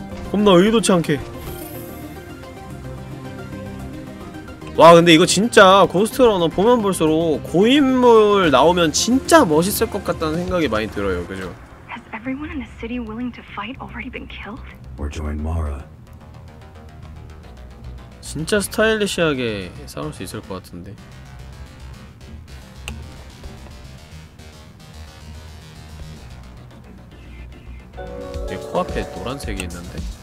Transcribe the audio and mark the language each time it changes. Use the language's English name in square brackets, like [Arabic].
[Korean] 겁나 의도치 않게. 와, 근데 이거 진짜 고스트러너 보면 볼수록 고인물 나오면 진짜 멋있을 것 같다는 생각이 많이 들어요. 그죠? [English] Has everyone in the city willing to fight already been killed? Or join Mara? [Korean] 진짜 스타일리시하게 싸울 수 있을 것 같은데. 내 코앞에 노란색이 있는데?